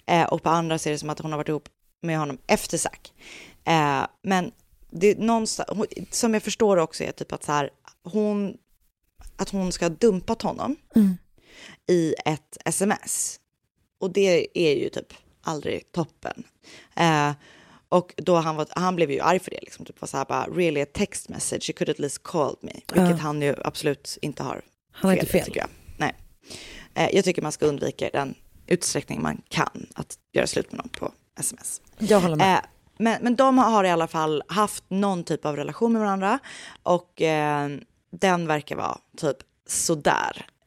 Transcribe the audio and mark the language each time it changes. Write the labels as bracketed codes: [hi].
[sv] Och på andra ser det som att hon har varit ihop med honom efter Zach. Men det någonstans, som jag förstår också är typ att så här, att hon ska ha dumpat honom i ett sms. Och det är ju typ aldrig toppen. Och då han blev ju arg för det. Liksom, typ var så här bara, [en] really a text message. You could at least called me. [sv] Vilket han ju absolut inte har fel. Han har inte fel. Tycker jag. Nej. Jag tycker man ska undvika den utsträckning man kan att göra slut med någon på sms. Jag håller med. Men de har i alla fall haft någon typ av relation med varandra. Och den verkar vara typ sådär.